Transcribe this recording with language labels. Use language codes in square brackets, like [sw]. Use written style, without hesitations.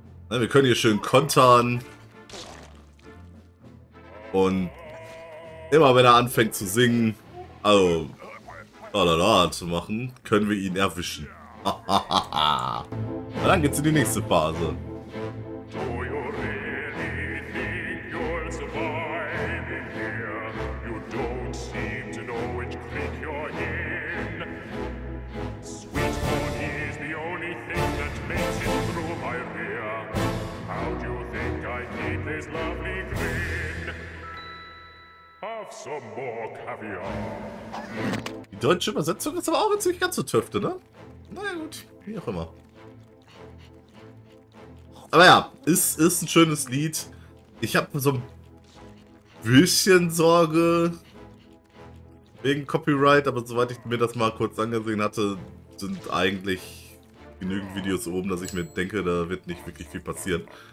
[de] Na, wir können hier schön kontern. Und immer wenn er anfängt zu singen, also la zu machen, können wir ihn erwischen. Na dann geht's in die nächste Phase. [en] Do you really think you'll survive in here? You don't seem to know which creek you're in. Sweet corn is the only thing that makes it through my rear. How do you think I keep this lovely grin? Have some more caviar. [de] Die deutsche Übersetzung ist aber auch jetzt nicht ganz so töfte, ne? Naja gut, wie auch immer. Aber ja, ist ein schönes Lied. Ich habe so ein bisschen Sorge wegen Copyright, aber soweit ich mir das mal kurz angesehen hatte, sind eigentlich genügend Videos oben, dass ich mir denke, da wird nicht wirklich viel passieren.